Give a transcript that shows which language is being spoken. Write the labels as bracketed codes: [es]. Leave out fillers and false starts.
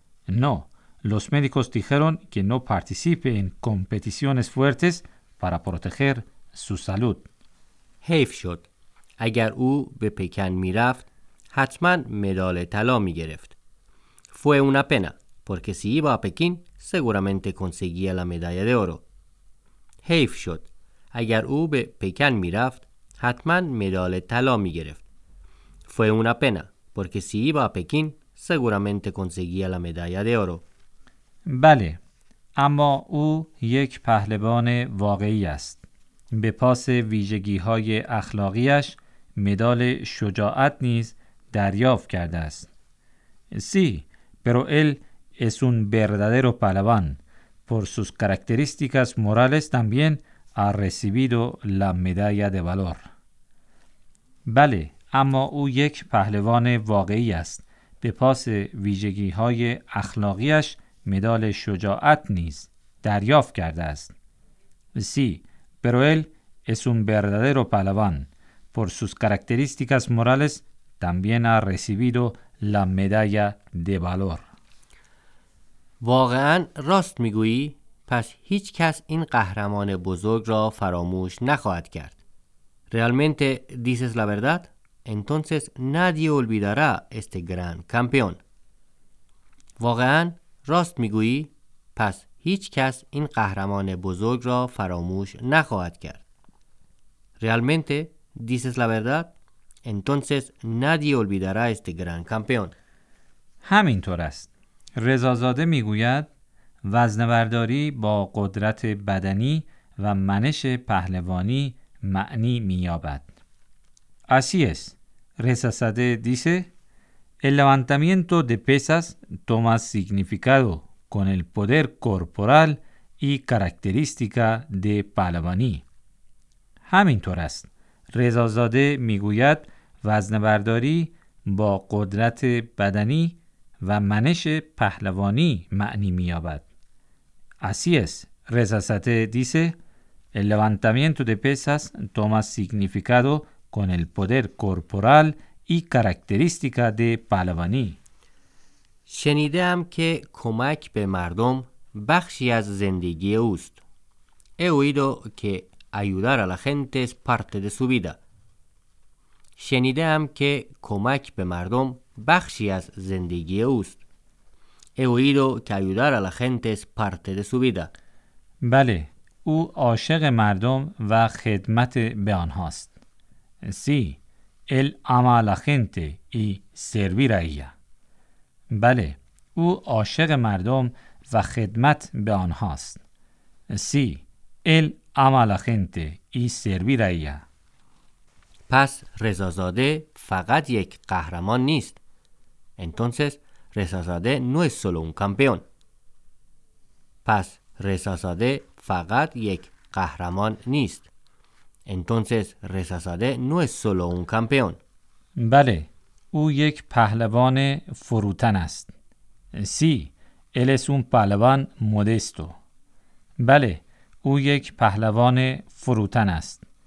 [es] No, los médicos dijeron que no participe en competiciones fuertes para proteger su salud. [fa] حیف شد. اگر او به پکن می رفت، حتما مدال طلا می گرفت. [es] Fue una pena, porque si iba a Pekín, seguramente conseguía la medalla de oro. [fa] حیف شد. اگر او به پکن می رفت، حتما مدال طلا می گرفت. [es] Fue una pena, porque si iba a Pekín, seguramente conseguía la medalla de oro. [fa] بله، اما او یک پهلوان واقعی است. به پاس ویژگی‌های اخلاقیش، مدال شجاعت نیز دریافت کرده است. [es] Sí, pero él es un verdadero pahlavan. Por sus características morales también ha recibido la medalla de valor. [fa] بله، اما او یک پهلوان واقعی است. به پاس ویژگی‌های اخلاقیش مدال شجاعت نیز دریافت کرده است. [es] سی، pero él es un verdadero pahlavan. Por sus características morales también ha recibido la medalla de valor. [fa] واقعاً راست می‌گویی؟ پس هیچ کس این قهرمان بزرگ را فراموش نخواهد کرد. [es] Realmente dices la verdad? Entonces nadie olvidará este gran campeón. [fa] واقعاً راست میگویی؟ پس هیچ کس این قهرمان بزرگ را فراموش نخواهد کرد. [es] Realmente dices la verdad? Entonces nadie olvidará este gran campeón. [fa] همینطور است. رضازاده میگوید وزنه‌برداری با قدرت بدنی و منش پهلوانی معنی می‌یابد. [es] Así es. Rezazade dice, el levantamiento de pesas toma significado con el poder corporal y característica de pahlavani. [fa] همینطور است. رضازاده میگوید وزنه‌برداری با قدرت بدنی و منش پهلوانی معنی می‌یابد. [es] Así es. Rezazade dice, el levantamiento de pesas toma significado con el poder corporal y característica de pahlavani. [fa] شنیدم که کمک به مردم بخشی از زندگی اوست. [es] He oído que ayudar a la gente es parte de su vida. [fa] شنیدم که کمک به مردم بخشی از زندگی اوست. [es] He oído que ayudar a la gente es parte de su vida. [fa] بله، او عاشق مردم و خدمت به آنهاست. [es] Sí, él ama a la gente y servir a ella. [fa] بله، او عاشق مردم و خدمت به آنهاست. [es] Sí, él ama a la gente y servir a ella. [fa] پس رضازاده فقط یک قهرمان نیست. [es] Entonces, رضازاده no es solo un campeón. [fa] پس رضازاده فقط یک قهرمان نیست. [es] Entonces, Rezazade no es solo un campeón. [fa] Vale, u yek pahlavan furutan ast. [es] Sí, él es un pahlavan modesto. Vale, [fa] u yek pahlavan furutan ast.